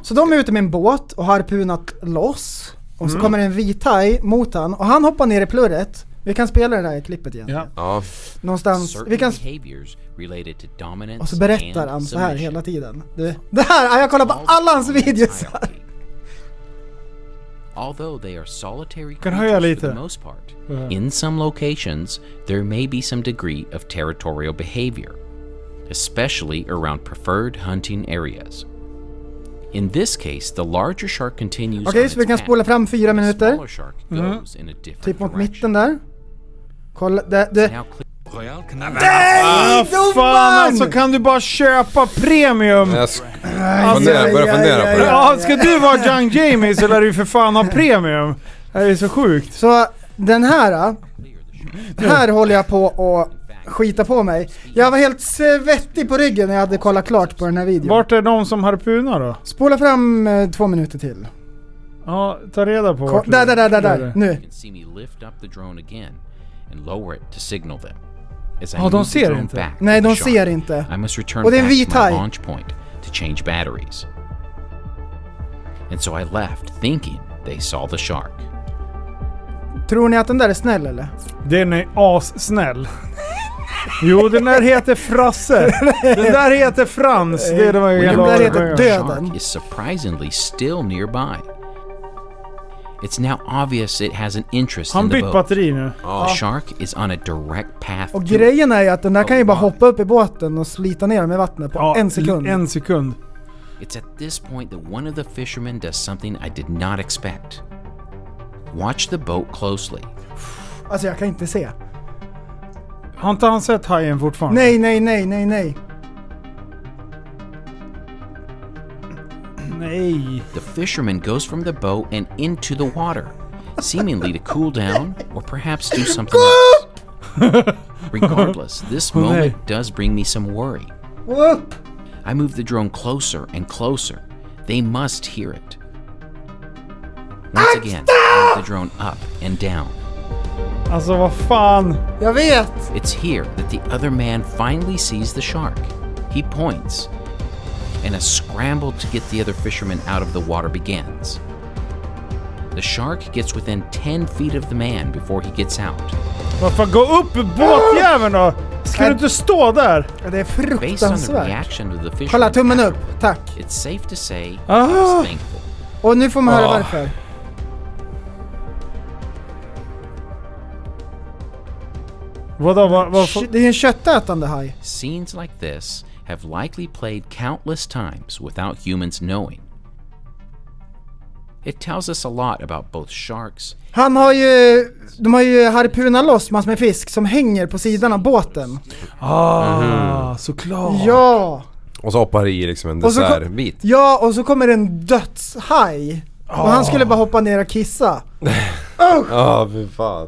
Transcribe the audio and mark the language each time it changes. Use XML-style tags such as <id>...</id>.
<sv>Så de är ute med en båt och harpunat loss. Och så kommer en vithaj mot han. Och han hoppar ner i plurret. Vi kan spela det där klippet igen. Någonstans vi kan och så berättar han så här hela tiden. Det här, jag kollar på alla hans videos här.</sv> <en>Although they are solitary creatures for the most part, in some locations there may be some degree of territorial behavior, especially around preferred hunting areas. In this case, the larger shark continues.</en> <sv>Okej, så vi kan spola fram 4 minuter. Typ mot mitten där. Kolla, det. Nej, fan, alltså kan du bara köpa premium? Jag börjar fundera på det. Ja, ska du vara Young James eller är du för fan av premium? Det är så sjukt. Så den här, här håller jag på och skita på mig. Jag var helt svettig på ryggen när jag hade kollat klart på den här videon. Vart är de som harpunar då? Spola fram 2 minuter till. Ja, ta reda på. Där. Nu.</sv> <en>You can see me lift up the drone again and lower it to signal them.</en> <sv>Ja, de ser inte. Nej, de ser inte.</sv> <en>I must return back to my launch point to change batteries. And so I left thinking they saw the shark.</en> <sv>Tror ni att den där är snäll eller? Den är assnäll. Jo, den där heter Frasse. Den där heter Frans. Det är det man gör. Den där heter Döden.</sv> <en>Shark is surprisingly still nearby. It's now obvious it has an interest in the boat.</en> <sv>Han bytt batteri nu.</sv> <en>The shark is on a direct path.</en> <sv>Och grejen är att den där kan ju bara hoppa upp i båten och slita ner med vattnet på en sekund. En sekund.</sv> <en>It's at this point that one of the fishermen does something I did not expect. Watch the boat closely.</en> <sv>Alltså jag kan inte se. Har inte han sett hajen fortfarande? Nej. Yay.</sv> <en>The fisherman goes from the boat and into the water, seemingly to cool down or perhaps do something else. Regardless, this moment does bring me some worry. I move the drone closer and closer. They must hear it. Once again, move the drone up and down.</en> <sv>Alltså, vad fan? Jag vet!</sv> <en>It's here that the other man finally sees the shark. He points, and a scramble to get the other fisherman out of the water begins. The shark gets within 10 feet of the man before he gets out.</en> <sv>Varför gå upp i båtjäveln då? Ska du inte stå där? Ja, det är fruktansvärt.</sv> <en>Of the</en> <sv>kolla, tummen upp. Tack.</sv> <en>It's safe to say</en> <sv>Och nu får man höra varför. Vadå, vad det är en köttätande haj.</sv> <en>Scenes like this have likely played countless times without humans knowing. It tells us a lot about both sharks.</en> <sv>Han har ju, de har ju harpunat loss massor med fisk som hänger på sidan av båten. Ah, såklart. Ja. Och så hoppar i liksom en dessertbit. Ja, och så kommer en dödshaj. Och han skulle bara hoppa ner och kissa. Ja, för fan.</sv>